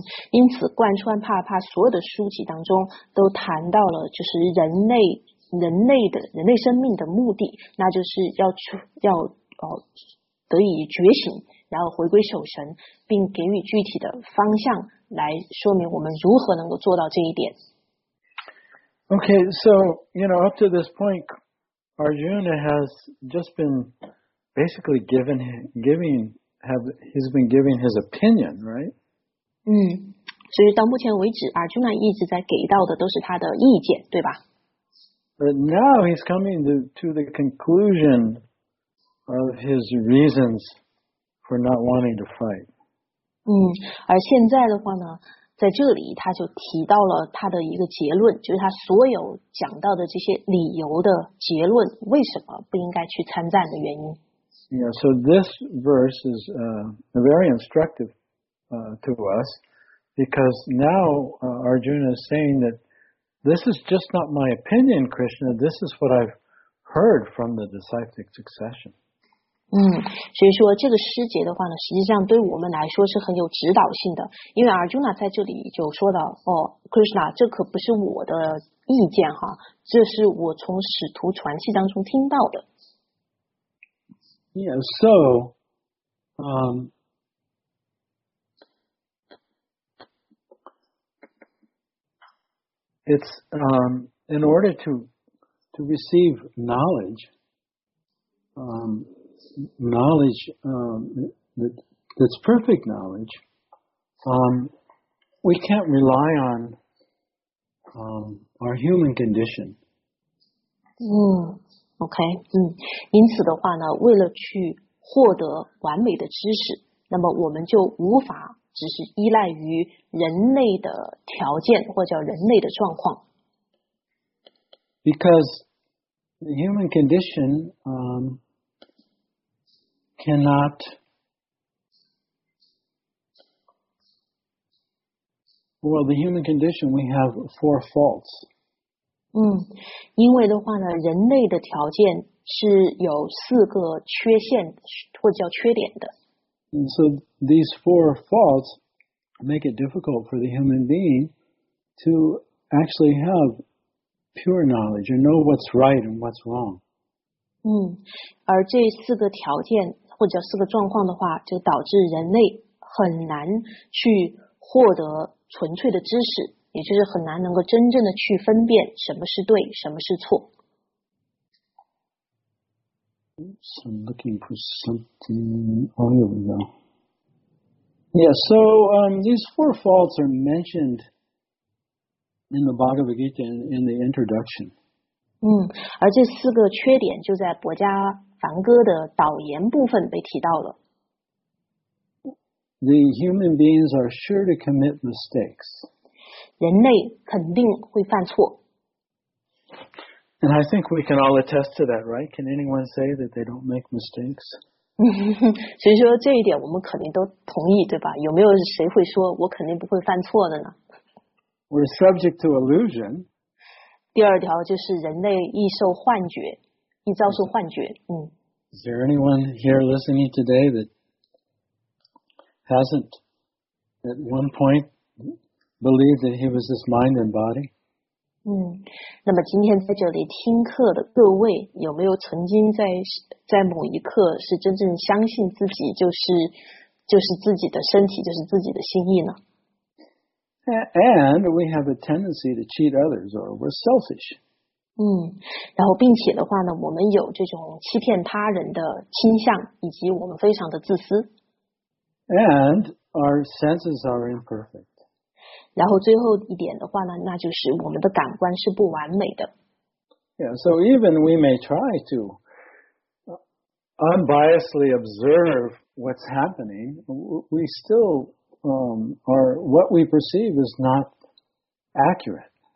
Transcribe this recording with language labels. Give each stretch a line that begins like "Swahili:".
Chinese: 因此贯穿帕帕所有的书籍当中都谈到了就是人类生命的目的，那就是要得以觉醒，然后回归守神，并给予具体的方向来说明我们如何能够做到这一点。
English: Okay, so, you know, up to this point, Arjuna has just been basically he's been giving his opinion, right?
Chinese: 所以到目前为止 ,Arjuna 一直在给到的都是他的意见，对吧？
English: But now he's coming to the conclusion of his reasons for not wanting to fight.
Chinese: 而现在的话呢，在这里他就提到了他的一个结论，就是他所有讲到的这些理由的结论，为什么不应该去参战的原因。
English: Yeah, so this verse is very instructive to us, because now Arjuna is saying that this is just not my opinion, Krishna. This is what I've heard from the disciplic succession.
Chinese: 所以说这个诗节的话呢，实际上对我们来说是很有指导性的。因为 Arjuna 在这里就说到，Krishna, 这可不是我的意见哈，这是我从使徒传记当中听到的。
English: Yeah, so, it's in order to receive knowledge, knowledge that's perfect knowledge, we can't rely on our human condition. Okay.
Chinese: 因此的话呢，为了去获得完美的知识，那么我们就无法只是依赖于人类的条件或者叫人类的状况。
English: Because the human condition cannot well, the human condition, we have four faults.
Chinese: 因为的话呢，人类的条件是有四个缺陷或者叫缺点的。
English: And so these four faults make it difficult for the human being to actually have pure knowledge or know what's right and what's wrong.
Chinese: 而这四个条件或者四个状况的话，就导致人类很难去获得纯粹的知识，也就是很难能够真正的去分辨什么是对，什么是错。
English: I'm looking for something. Oh, here we go. Yeah, so these four faults are mentioned in the Bhagavad Gita in the introduction.
Chinese: 而这四个缺点就在博迦梵歌的导言部分被提到了。
English: The human beings are sure to commit mistakes.
Chinese: 人类肯定会犯错。
English: And I think we can all attest to that, right? Can anyone say that they don't make mistakes?
Chinese: 所以说这一点我们肯定都同意，对吧？有没有谁会说我肯定不会犯错的呢？
English: We're subject to illusion.
Chinese: 第二条就是人类易受幻觉，易遭受幻觉。
English: Is there anyone here listening today that hasn't at one point believed that he was this mind and body?
Chinese: 那么今天在这里听课的各位，有没有曾经在某一刻是真正相信自己就是自己的身体，就是自己的心意呢？
English: And we have a tendency to cheat others, or we're selfish.
Chinese: 然后并且的话呢，我们有这种欺骗他人的倾向，以及我们非常的自私。
English: And our senses are imperfect.
Chinese: 然后最后一点的话呢，那就是我们的感官是不完美的。
English: Yeah, so even we may try to unbiasedly observe what's happening, we still, or what we perceive is not accurate.